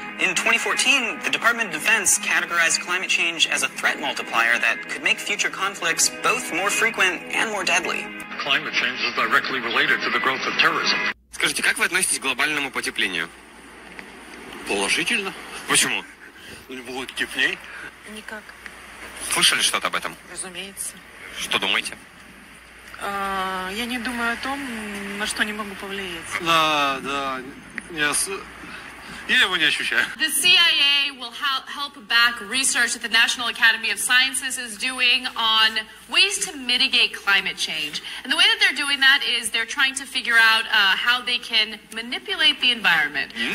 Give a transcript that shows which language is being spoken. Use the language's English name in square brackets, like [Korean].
[English] In 2014, the Department of Defense categorized climate change as a threat multiplier that could make future conflicts both more frequent and more deadly. Climate change is directly related to the growth of terrorism. [Russian] Скажите, как вы относитесь к глобальному потеплению? Положительно. Почему? Не будет теплее. Никак. Слышали что-то об этом? Разумеется. Что думаете? Я не думаю о том, на что не могу повлиять. Да, да. Я его не ощущаю. [English] The CIA will help back research that the National Academy of Sciences is doing on ways to mitigate climate change. And the way that they're doing that is they're trying to figure out how they can manipulate the environment. Mm.